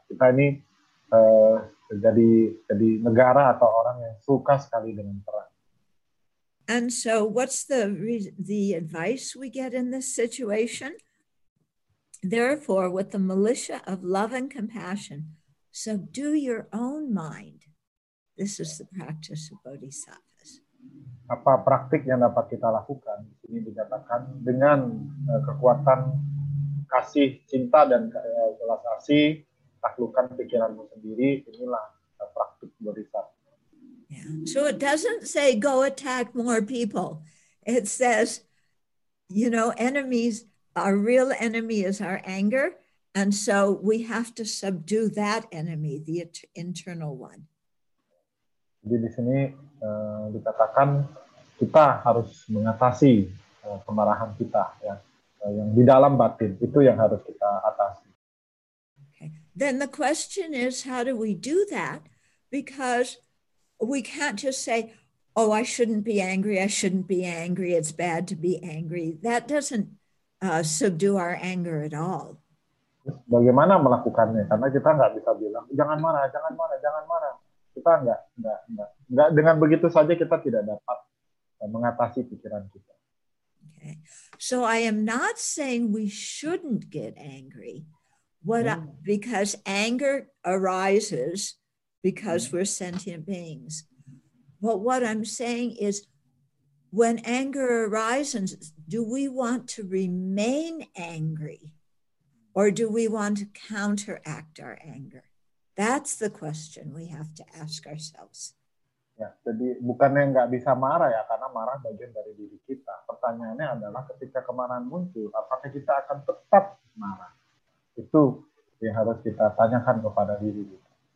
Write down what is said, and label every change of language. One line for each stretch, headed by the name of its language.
Indonesian: Kita ini jadi negara atau orang yang suka sekali dengan perang.
English: And so what's the advice we get in this situation? Therefore, with the militia of love and compassion, subdue your own mind. This is the practice of bodhisattvas.
Indonesian: Apa praktik yang dapat kita lakukan? Ini dikatakan dengan kekuatan kasih, cinta, dan belas kasih, taklukkan pikiranmu sendiri. Inilah praktik bodhisattva.
English: Yeah. So it doesn't say go attack more people. It says You know, enemies, our real enemy is our anger. And so we have to subdue that enemy, the internal one.
Indonesian: Jadi di sini dikatakan kita harus mengatasi kemarahan kita, ya, yang di dalam batin, itu yang harus kita atasi.
English: Okay. Then the question is, how do we do that? Because we can't just say, oh, I shouldn't be angry, I shouldn't be angry, it's bad to be angry. That doesn't subdue our anger at all.
Indonesian: Bagaimana melakukannya? Karena kita nggak bisa bilang jangan marah, jangan marah, jangan marah. Kita nggak dengan begitu saja kita tidak dapat mengatasi pikiran kita.
English: Okay. So I am not saying we shouldn't get angry. Because anger arises because we're sentient beings. But what I'm saying is, when anger arises, do we want to remain angry? Or do we want to counteract our anger? That's the question we have to ask ourselves.
Indonesian: Ya, jadi bukannya nggak bisa marah ya, karena marah bagian dari diri kita. Pertanyaannya adalah ketika kemarahan muncul, apakah kita akan tetap marah? Itu yang harus kita tanyakan kepada diri kita.